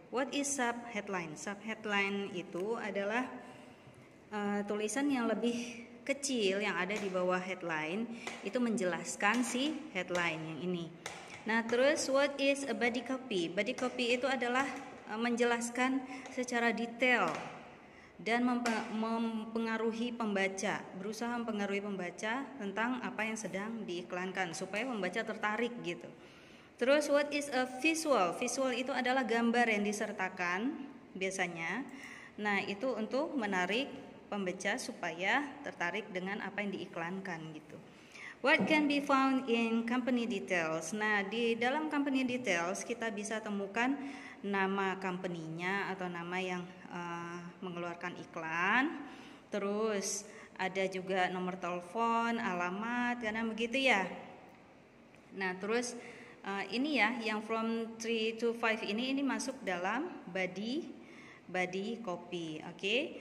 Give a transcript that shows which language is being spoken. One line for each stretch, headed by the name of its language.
English: What is sub headline?
Indonesian: Sub headline itu adalah tulisan yang lebih kecil yang ada di bawah headline, itu menjelaskan si headline yang ini. Nah, terus
English: what is a body copy?
Indonesian: Body copy itu adalah menjelaskan secara detail dan mempengaruhi pembaca, berusaha mempengaruhi pembaca tentang apa yang sedang diiklankan supaya pembaca tertarik gitu. Terus
English: what is a visual?
Indonesian: Visual itu adalah gambar yang disertakan biasanya. Nah, itu untuk menarik pembaca supaya tertarik dengan apa yang diiklankan gitu.
English: What can be found in company details?
Indonesian: Nah, di dalam company details kita bisa temukan nama company-nya atau nama yang mengeluarkan iklan. Terus ada juga nomor telepon, alamat, karena begitu ya. Nah, terus ini ya yang from 3 to 5 ini masuk dalam body copy, oke.